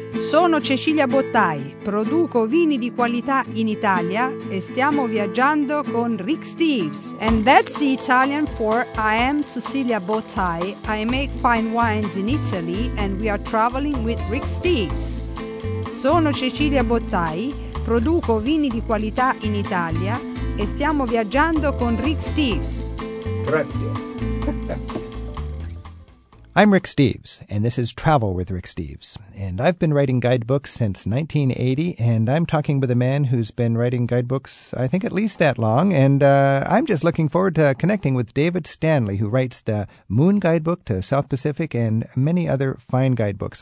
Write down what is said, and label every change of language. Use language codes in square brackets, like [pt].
[it] Sono Cecilia Bottai, produco vini di qualità in Italia e stiamo viaggiando con Rick Steves. [en] And that's the Italian for I am Cecilia Bottai. I make fine wines in Italy and we are traveling with Rick Steves. [it] Sono Cecilia Bottai, produco vini di qualità in Italia e stiamo viaggiando con Rick Steves. Grazie. [en] I'm Rick Steves, and this is Travel with Rick Steves. And I've been writing guidebooks since 1980, and I'm talking with a man who's been writing guidebooks, I think, at least that long. And I'm just looking forward to connecting with David Stanley, who writes the Moon Guidebook to South Pacific and many other fine guidebooks.